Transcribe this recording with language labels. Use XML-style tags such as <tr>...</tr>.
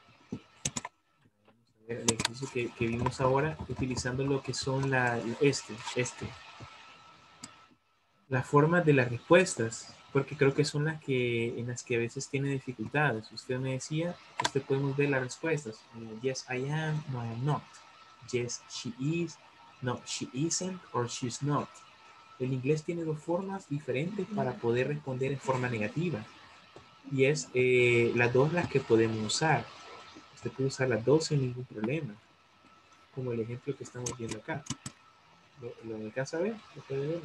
<es>Vamos a ver el ejercicio que vimos ahora utilizando lo que son este. Las formas de las respuestas, porque creo que son las que en las que a veces tiene dificultades. Usted me decía, usted podemos ver las respuestas.</es> <en>Yes, I am, no, I am not. Yes, she is, no, she isn't, or she's not.</en> <es>El inglés tiene dos formas diferentes para poder responder en forma negativa. Y es las dos las que podemos usar. Usted puede usar las dos sin ningún problema. Como el ejemplo que estamos viendo acá. ¿Lo alcanza a ver? ¿Lo puede ver?</es>